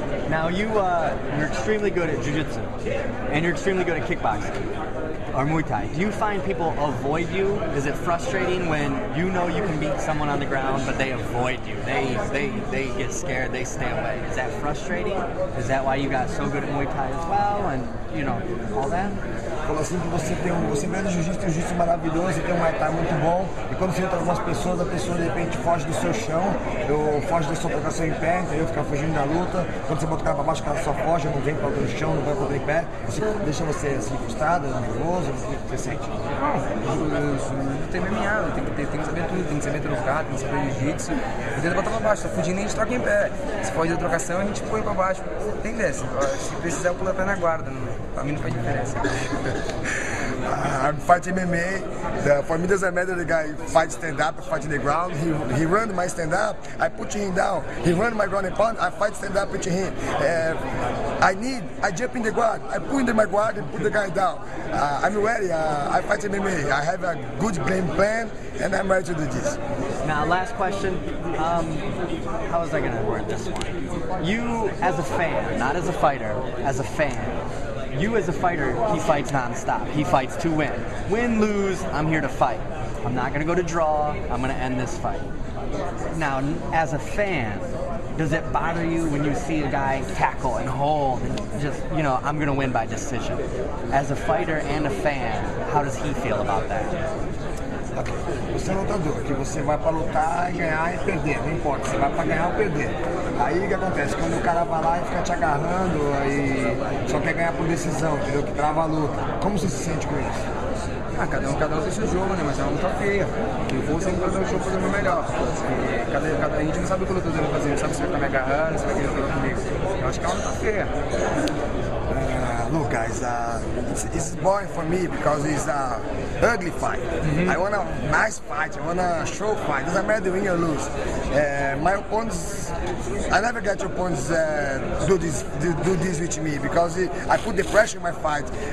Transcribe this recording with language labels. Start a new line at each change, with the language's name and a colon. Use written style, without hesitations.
English: Now, you're extremely good at jiu-jitsu, and you're extremely good at kickboxing, or Muay Thai. Do you find people avoid you? Is it frustrating when you know you can beat someone on the ground, but they avoid you? They get scared, they stay away. Is that frustrating? Is that why you got so good at Muay Thai as well, and, you know, all that?
Portuguese: Falou assim que você vê o jiu-jitsu, tem um jiu-jitsu maravilhoso, tem um Muay Thai muito bom, e quando você entra com algumas pessoas, a pessoa de repente foge do seu chão, ou foge da sua trocação em pé, entendeu? Fica fugindo da luta. Quando você bota o cara pra baixo, o cara só foge, não vem pra outro chão, não vai pro tripé. Você deixa você assim, frustrado, nervoso, o que você sente? Não, tem MMA, tem que saber tudo, tem que saber trocar, tem que saber jiu-jitsu. Eu tento botar pra baixo, tá fugindo e a gente troca em pé. Se foge da trocação, a gente põe pra baixo. Tem dessa, se precisar, eu pulo até na guarda, não, pra mim não faz diferença.
English: I'm fighting MMA. For me, it doesn't matter the guy fight stand up or fight in the ground. He run my stand up, I put him down. He run my ground and pound, I fight stand up with him. I jump in the guard, I put in my guard and put the guy down. I'm ready, I fight MMA. I have a good game plan and I'm ready to do this. Now, last question. How was I going to word this one? You, as a fan, not as a fighter, as a fan. You as a fighter, he fights nonstop. He fights to win. Win, lose, I'm here to fight. I'm not going to go to draw. I'm going to end this fight. Now, as a fan, does it bother you when you see a guy tackle and hold and just, you know, I'm going to win by decision? As a fighter and a fan, how does he feel about that?
Portuguese: Você é lutador, que você vai pra lutar e ganhar e perder, não importa, você vai pra ganhar ou perder. Aí o que acontece? Quando o cara vai lá e fica te agarrando, aí só quer ganhar por decisão, entendeu? Que trava a luta. Como você se sente com isso? Ah, cada um tem seu jogo, né? Mas é uma luta feia. Eu vou sempre fazer um jogo fazer o meu melhor. A gente não sabe o que o lutador vai fazer, não sabe se vai estar me agarrando, se vai querer lutar comigo. Eu acho que é uma luta feia.
English: look, guys, it's boring for me because it's an ugly fight. Mm-hmm. I want a nice fight, I want a show fight. Doesn't matter to win or lose. My opponents, I never get your opponents do this with me because I put the pressure in my fight.